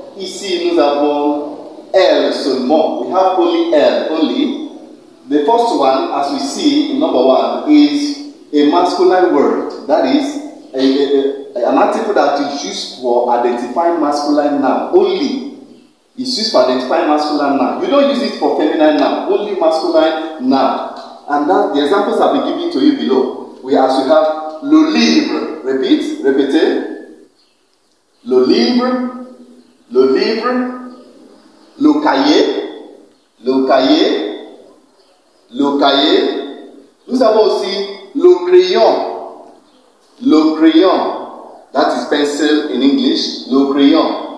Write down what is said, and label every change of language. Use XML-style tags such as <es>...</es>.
<fr>Ici, nous avons L seulement.</fr> <en>We have only L, only. The first one, as we see, number one, is a masculine word. That is, an article that is used for identifying masculine noun, only. It's used for identifying masculine noun. You don't use it for feminine noun, only masculine noun. And that the examples I've been giving to you below. As we have le livre. Repeat, répétez. Le livre.</en> <fr>Le livre, le cahier, le cahier, le cahier. Nous avons aussi le crayon, le crayon.</fr> <en>That is pencil in English, le crayon.</en>